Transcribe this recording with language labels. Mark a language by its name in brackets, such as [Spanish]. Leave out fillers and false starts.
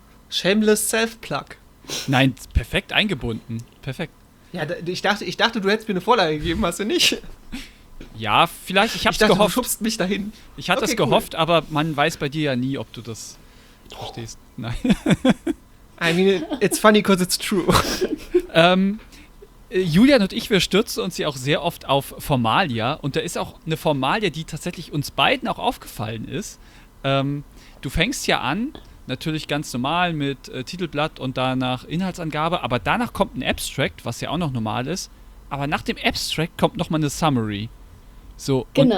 [English] Shameless Self-Plug. [German] Nein, perfekt eingebunden. Perfekt. Ja, ich dachte, du hättest mir eine Vorlage gegeben, hast du nicht? Ja, vielleicht. Ich dachte, gehofft. Du schubst mich dahin. Ich hatte es gehofft, cool. Aber man weiß bei dir ja nie, ob du das verstehst. Nein. [English] I mean, it's funny because it's true. [German] Julian und ich, wir stürzen uns ja auch sehr oft auf Formalia. Und da ist auch eine Formalia, die tatsächlich uns beiden auch aufgefallen ist. Du fängst ja an, natürlich ganz normal mit Titelblatt und danach Inhaltsangabe. Aber danach kommt ein Abstract, was ja auch noch normal ist. Aber nach dem Abstract kommt nochmal eine Summary. So, genau.